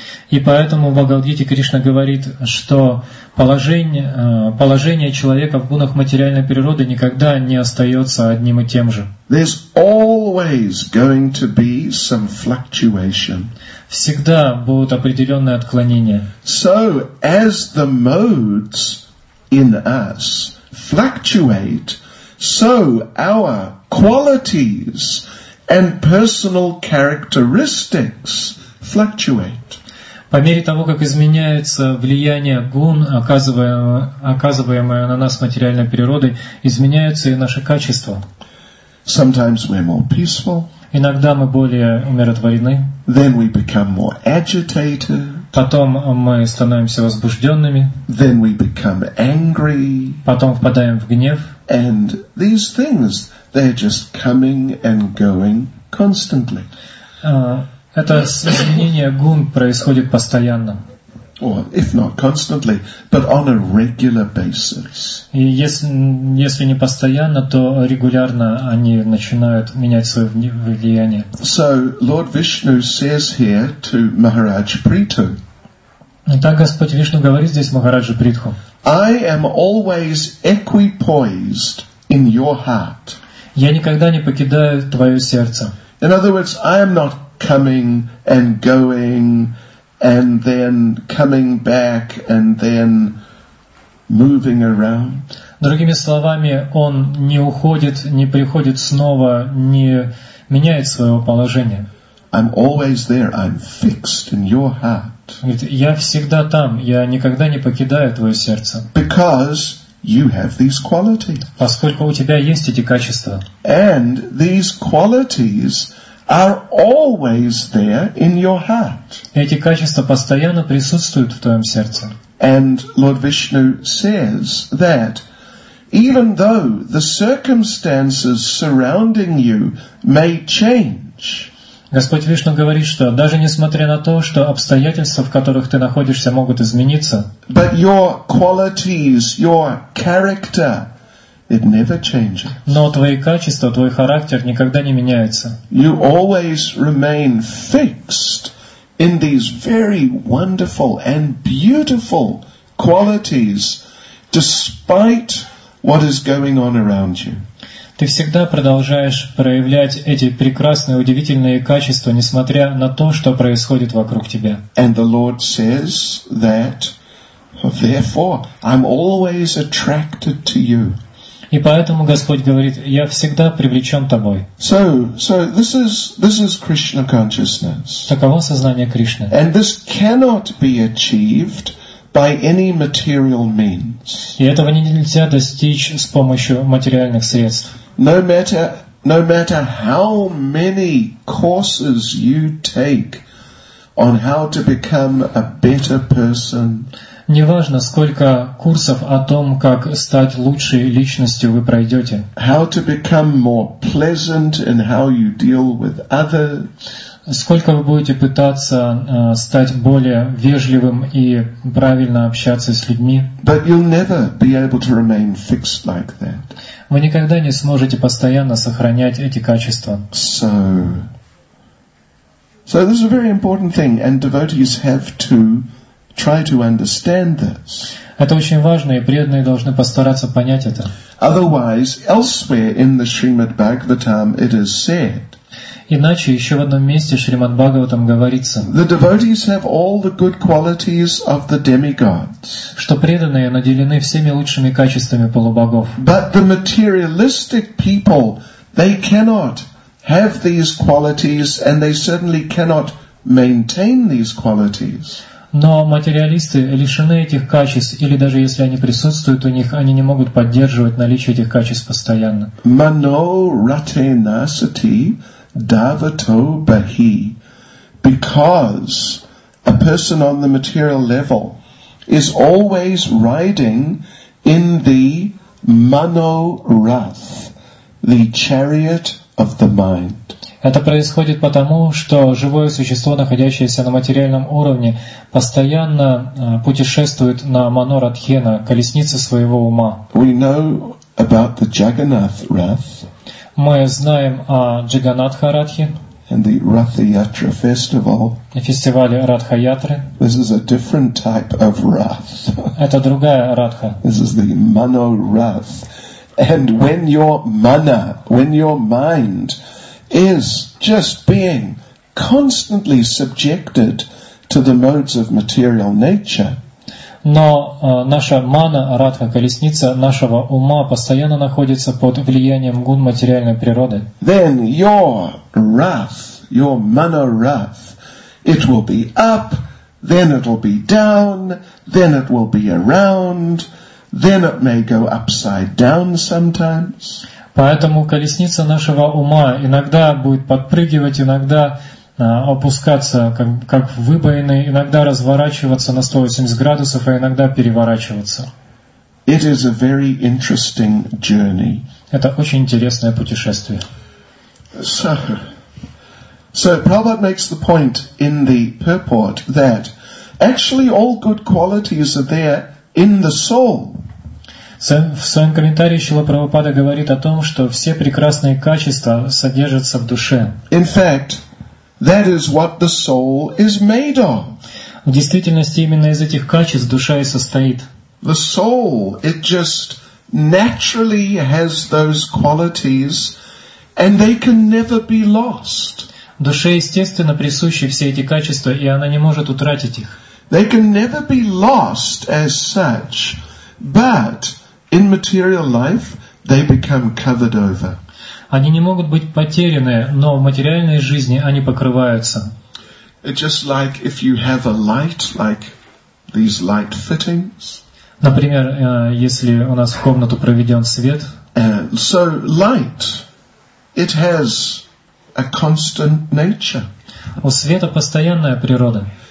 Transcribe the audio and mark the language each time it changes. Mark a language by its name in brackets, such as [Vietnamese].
[Russian] И поэтому в Бхагавад-гите Кришна говорит, что положение человека в гунах материальной природы никогда не остается одним и тем же. [English] There's always going to be some fluctuation. [Russian] Всегда будут определенные отклонения. [English] So as the modes in us fluctuate, so our qualities and personal characteristics fluctuate. [Russian] По мере того, как изменяется влияние гун, оказываемое на нас материальной природой, изменяются и наши качества. [English] Sometimes we're more peaceful. [Russian] Иногда мы более умиротворены. [English] Then we become more agitated. [Russian] Потом мы становимся возбужденными. [English] Then we become angry. [Russian] Потом впадаем в гнев. [English] And these things, They are just coming and going constantly. [Russian] Это изменение гун происходит постоянно. [English] Or if not constantly, but on a regular basis. [Russian] И если не постоянно, то регулярно они начинают менять свое влияние. [English] So Lord Vishnu says here to Maharaj Prithu. [Russian] Итак, Господь Вишну говорит здесь Махараджу Притху. [English] I am always equipoised in your heart. [Russian] Я никогда не покидаю твое сердце. [English] In other words, I am not coming and going and then coming back and then moving around. [Russian] Другими словами, он не уходит, не приходит снова, не меняет своего положения. [English] I'm always there. I'm fixed in your heart. [Russian] Я всегда там. Я никогда не покидаю твое сердце. [English] Because you have these qualities. [Russian] Поскольку у тебя есть эти качества. [English] And these qualities are always there in your heart. [Russian] Эти качества постоянно присутствуют в твоем сердце. [English] And Lord Vishnu says that even though the circumstances surrounding you may change. [Russian] Господь Вишну говорит, что даже несмотря на то, что обстоятельства, в которых ты находишься, могут измениться, [English] but your qualities, your character, it never changes. [Russian] Но твои качества, твой характер никогда не меняются. [English] You always remain fixed in these very wonderful and beautiful qualities, despite what is going on around you. [Russian] Ты всегда продолжаешь проявлять эти прекрасные, удивительные качества, несмотря на то, что происходит вокруг тебя. [English] And the Lord says that, therefore, I'm always attracted to you. [Russian] И поэтому Господь говорит, я всегда привлечен тобой. [English] So this is Krishna consciousness. [Russian] Таково сознание Кришны. [English] And this cannot be achieved by any material means. [Russian] И этого нельзя достичь с помощью материальных средств. [English] No matter how many courses you take on how to become a better person. [Russian] Неважно, сколько курсов о том, как стать лучшей личностью вы пройдете. [English] How to become more pleasant in how you deal with others. [Russian] Сколько вы будете пытаться стать более вежливым и правильно общаться с людьми. [English] But you'll never be able to remain fixed like that. [Russian] Вы никогда не сможете постоянно сохранять эти качества. [English] So this is a very important thing, and devotees have to try to understand this. [Russian] Это очень важно, и преданные должны постараться понять это. [English] Otherwise, elsewhere in the Srimad Bhagavatam it is said. [Russian] Иначе еще в одном месте Шримад Бхагаватам говорится, [English] the devotees have all the good qualities of the demigods, [Russian] что преданные наделены всеми лучшими качествами полубогов. [English] But the materialistic people, they cannot have these qualities, and they certainly cannot maintain these qualities. [Russian] Но материалисты лишены этих качеств, или даже если они присутствуют у них, они не могут поддерживать наличие этих качеств постоянно. [Sanskrit] Mano ratenasati davato bahi, [English] because a person on the material level is always riding in the mano rath, the chariot of the mind. [Russian] Это происходит потому, что живое существо, находящееся на материальном уровне, постоянно путешествует на манорадхе, на колеснице своего ума. [English] We know about the Jagannath Rath. [Russian] Мы знаем о Джаганнатха Радхе. [English] And the Ратха-Ятра festival. [Russian] На фестивале Ратха-Ятры. [English] This is a different type of Rath. [Russian] Это другая Радха. [English] This is the Mano Rath. And when your mana, when your mind is just being constantly subjected to the modes of material nature. [Russian] Но наша мана, радха, колесница нашего ума постоянно находится под влиянием гун материальной природы. [English] Then your wrath, your mana wrath, it will be up, then it will be down, then it will be around, then it may go upside down sometimes. [Russian] Поэтому колесница нашего ума иногда будет подпрыгивать, иногда опускаться, как выбоины, иногда разворачиваться на 180 градусов, а иногда переворачиваться. [English] It is a very interesting journey. [Russian] Это очень интересное путешествие. [English] So Prabhupada makes the point in the purport that actually all good qualities are there in the soul. [Russian] В своем комментарии Шрила Прабхупада говорит о том, что все прекрасные качества содержатся в душе. [English] In fact, that is what the soul is made of. [Russian] В действительности именно из этих качеств душа и состоит. [English] The soul, it just naturally has those qualities, and they can never be lost. [Russian] Душе естественно присущи все эти качества, и она не может утратить их. [English] They can never be lost as such, but in material life they become covered over. [Russian] Они не могут быть потеряны, но в материальной жизни они покрываются. [English] It's just like if you have a light, like these light fittings. [Russian] Например, если у нас в комнату проведен свет. [English] So light, it has a constant nature. [Russian] У света постоянная природа.